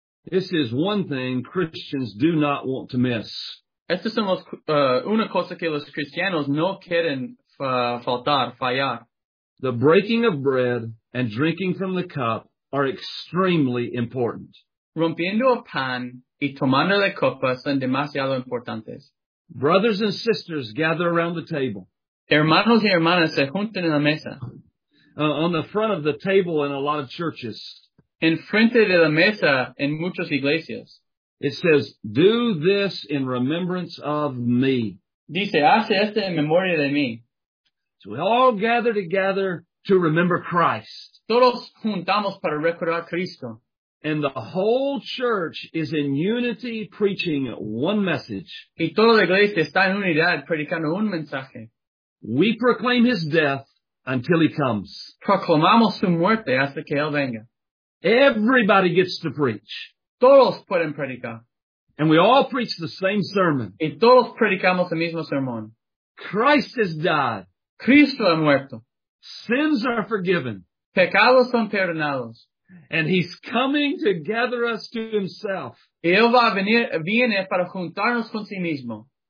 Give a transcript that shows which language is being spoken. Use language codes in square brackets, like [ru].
[en] This is one thing Christians do not want to miss. [es] Estas son una cosa que los cristianos no quieren fallar. [en] The breaking of bread and drinking from the cup are extremely important. [es] Rompiendo el pan y tomando la copa son demasiado importantes. [en] Brothers and sisters gather around the table. [es] Hermanos y hermanas se juntan en la mesa. [en] On the front of the table in a lot of churches. [es] En frente de la mesa en muchas iglesias. [en] It says, do this in remembrance of me. [es] Dice, hace esto en memoria de mí. [en] So we all gather together to remember Christ. [es] Todos juntamos para recordar Cristo. [en] And the whole church is in unity preaching one message. [es] Y toda la iglesia está en unidad predicando un mensaje. [en] We proclaim his death. Until he comes. [es] Proclamamos su muerte hasta que él venga. [en] Everybody gets to preach. [es] Todos pueden predicar. [en] And we all preach the same sermon. [es] Y todos predicamos el mismo sermón. [en] Christ has died. [es] Cristo ha muerto. [en] Sins are forgiven. [es] Pecados son perdonados. [en] And he's coming to gather us to himself. [es] Y él va a venir, viene para juntarnos con sí mismo.